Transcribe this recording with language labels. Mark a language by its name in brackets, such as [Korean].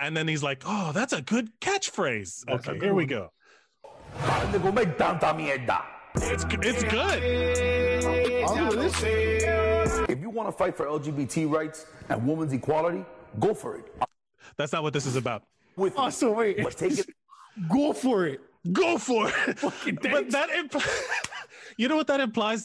[English] And then he's like, oh, that's a good catchphrase. We go. [Spanish] Para de comer tanta mierda. [English] It's good. If you want to fight for LGBT rights and women's equality, go for it. That's not what this is about. Let's take it. Go for it. Fucking thanks. But that you know what that implies?